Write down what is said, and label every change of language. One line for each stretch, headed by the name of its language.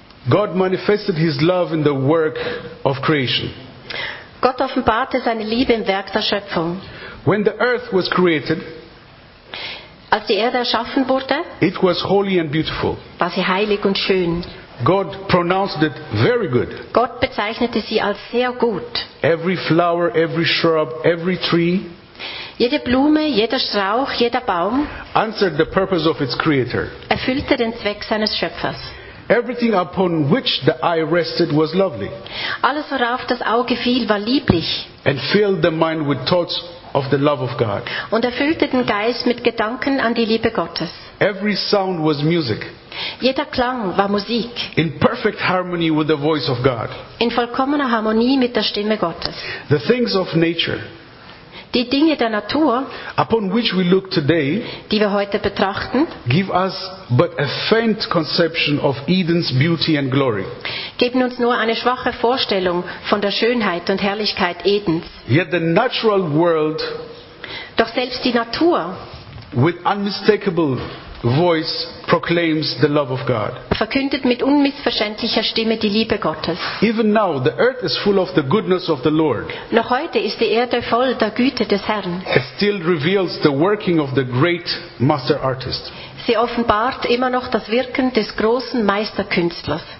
English: God manifested his love in the work of creation.
German: Gott offenbarte seine Liebe im Werk der Schöpfung.
English: When the earth was created.
German: Als die Erde erschaffen wurde.
English: It was holy and beautiful.
German: War sie heilig und schön.
English: God pronounced it very good.
German: Gott bezeichnete sie als sehr gut.
English: Every flower, every shrub, every tree.
German: Jede Blume, jeder Strauch, jeder Baum.
English: Answered the purpose of its creator.
German: Erfüllte den Zweck seines Schöpfers.
English: Everything upon which the eye rested was lovely.
German: Alles, worauf das Auge fiel, war lieblich.
English: And filled the mind with thoughts of the love of God.
German: Und erfüllte den Geist mit Gedanken an die Liebe Gottes.
English: Every sound was music.
German: Jeder Klang war Musik.
English: In perfect harmony with the voice of God.
German: In vollkommener Harmonie mit der Stimme Gottes.
English: The things of nature.
German: Die Dinge der Natur.
English: Upon which we look today.
German: Die wir heute betrachten.
English: Give us but a faint conception of Eden's beauty and glory.
German: Geben uns nur eine schwache Vorstellung von der Schönheit und Herrlichkeit Edens.
English: Yet the natural world.
German: Doch selbst die Natur.
English: With unmistakable voice proclaims the love of God.
German: Verkündet mit unmissverständlicher Stimme die Liebe Gottes.
English: Even now the earth is full of the goodness of the Lord.
German: Noch heute ist die Erde voll der Güte des Herrn.
English: It still reveals the working of the great master artist.
German: Sie offenbart immer noch das Wirken des großen Meisterkünstlers.